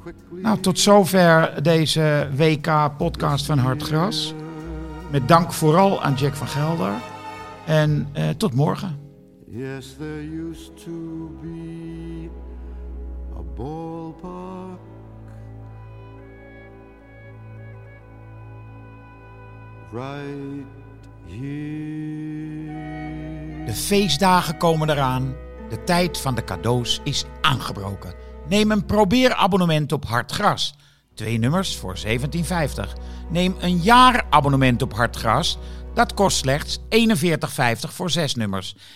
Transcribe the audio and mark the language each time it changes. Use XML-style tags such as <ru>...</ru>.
<nl>Nou, tot zover deze WK-podcast van Hartgras. Met dank vooral aan Jack van Gelder. En tot morgen.</nl> <en>Yes, there used to be a ballpark right here.</en> <nl>De feestdagen komen eraan. De tijd van de cadeaus is aangebroken. Neem een probeerabonnement op Hartgras. Twee nummers voor €17,50. Neem een jaarabonnement op Hartgras. Dat kost slechts €41,50 voor 6 nummers.</nl>